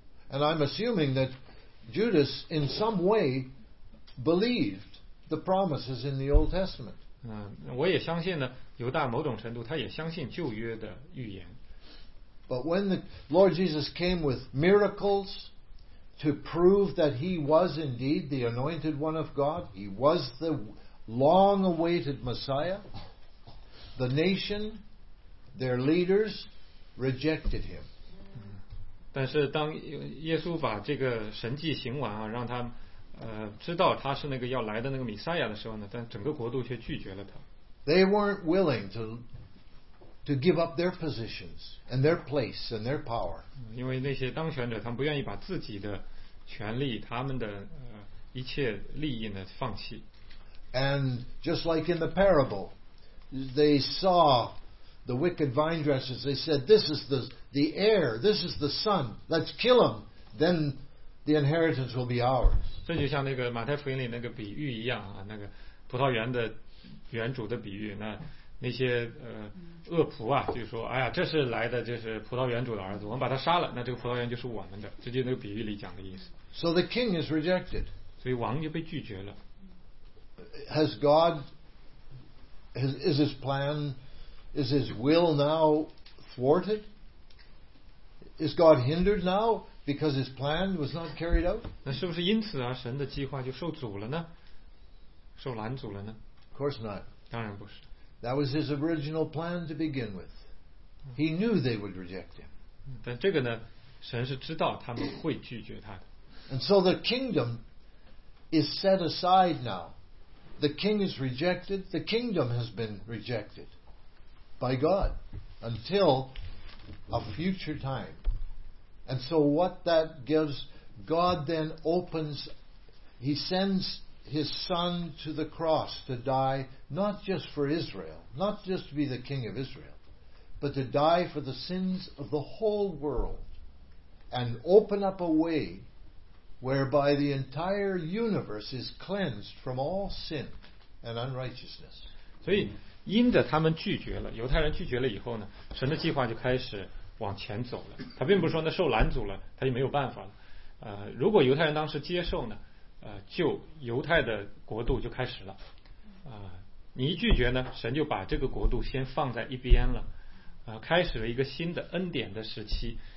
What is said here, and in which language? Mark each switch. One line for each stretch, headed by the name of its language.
English: And I'm assuming that Judas, in some way, believed the promises in the Old Testament.
Chinese: 我也相信呢，犹大某种程度他也相信旧约的预言。
English: But when the Lord Jesus came with miracles. To prove that he was indeed the anointed one of God, he was the long-awaited Messiah. The nation, their leaders, rejected him.
Chinese: 但是当耶稣把这个神迹行完啊，让他知道他是那个要来的那个弥赛亚的时候呢，但整个国度却拒绝了他。
English: They weren't willing to give up their positions and their place and their power.
Chinese: 因为那些当权者，他们不愿意把自己的权力他们的一切利益呢放弃。
English: And just like in the parable, they saw the wicked vine dressers. They said, "This is the heir. This is the son. Let's kill him. Then the inheritance will be ours."
Chinese: 这就像那个马太福音里那个比喻一样啊，那个葡萄园的园主的比喻。那些恶仆啊，就说，哎呀，这是来的，这是葡萄园主的儿子，我们把他杀了，那这个葡萄园就是我们的，这就是那个比喻里讲的意思。
English: So the king is rejected.
Chinese: 所以王就被拒绝了。
English: Has God, is his plan, is his will now thwarted? Is God hindered now because his plan was not carried out?
Chinese: 那是不是因此啊，神的计划就受阻了呢？受拦阻了呢？
English: Of course not.
Chinese: 当然不是。
English: That was his original plan to begin with. He knew they would reject him.
Chinese: 但这个呢，神是知道他们会拒绝他的。
English: And so the kingdom is set aside now. The king is rejected. The kingdom has been rejected by God until a future time. And so what that gives God then opens, he sends his son to the cross to die, not just for Israel, not just to be the king of Israel, but to die for the sins of the whole world and open up a way whereby the entire universe is cleansed from all sin and unrighteousness.
Chinese: 所以因着他们拒绝了，犹太人拒绝了以后呢，神的计划就开始往前走了。他并不是说那受拦阻了他就没有办法了，如果犹太人当时接受呢，就犹太的国度就开始了，你一拒绝呢，神就把这个国度先放在一边了，开始了一个新的恩典的时期。